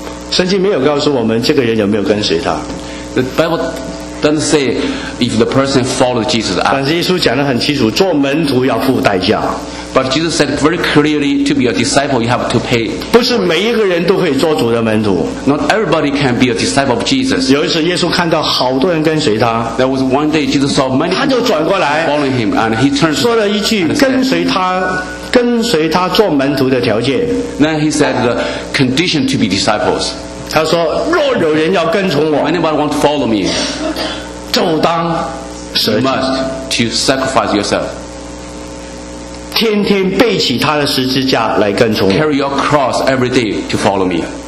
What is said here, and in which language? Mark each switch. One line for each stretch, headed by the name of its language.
Chinese: 圣经没有告诉我们这个人有没有跟随他
English: The Bible doesn't say if the person followed Jesus
Chinese: 但是耶稣讲得很清楚做门徒要付代价
English: But Jesus said very clearly, to be a disciple, you have to pay.
Chinese: 不是每一个人都可以做主的门徒。
English: Not everybody can be a disciple of Jesus.
Chinese: 有一次，耶稣看到好多人跟随他。
English: There was one day Jesus saw many.
Chinese: 他就转过来
English: ，following him, and he turned.
Chinese: 说了一句，跟随他，跟随他做门徒的条件。
English: Then he said the condition to be disciples.
Chinese: 他说，若有人要跟从我
English: ，anybody want to follow me,
Chinese: 就当舍己
English: you must to sacrifice yourself.
Chinese: 天天背起他的十字架来跟从我
English: Carry your cross every day to follow me